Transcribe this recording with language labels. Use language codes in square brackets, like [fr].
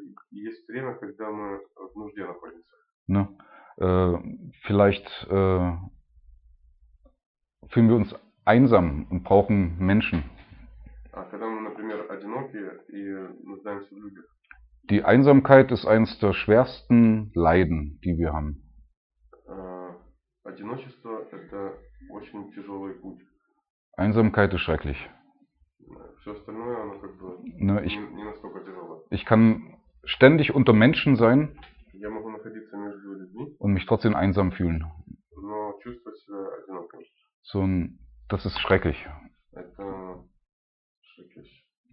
[ru] Есть время, когда мы в нужде находимся. [de] Ne? Vielleicht fühlen wir uns einsam und brauchen Menschen. [ru] Когда мы, например, одиноки и нуждаемся в людях. [de] Die Einsamkeit ist eines der schwersten Leiden, die wir haben. [ru] Одиночество – это очень тяжелый путь. [de] Einsamkeit ist schrecklich. [ru] Все остальное, оно как бы не настолько тяжело. [de] Ich kann ständig unter Menschen sein [ru] Я могу находиться между людьми, [de] und mich trotzdem einsam fühlen. [ru] Но чувствовать себя одиноко. [de] So, das ist schrecklich. [ru] Это schrecklich.